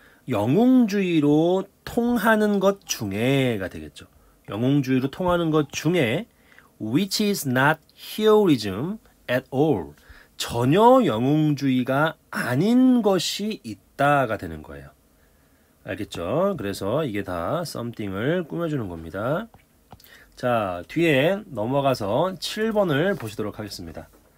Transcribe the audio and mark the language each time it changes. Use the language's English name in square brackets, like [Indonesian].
[Korean] 영웅주의로 통하는 것 중에가 되겠죠. 영웅주의로 통하는 것 중에 [English] which is not heroism at all. [Korean] 전혀 영웅주의가 아닌 것이 있다가 되는 거예요. 알겠죠? 그래서 이게 다 something을 꾸며주는 겁니다. 자, 뒤에 넘어가서 7번을 보시도록 하겠습니다.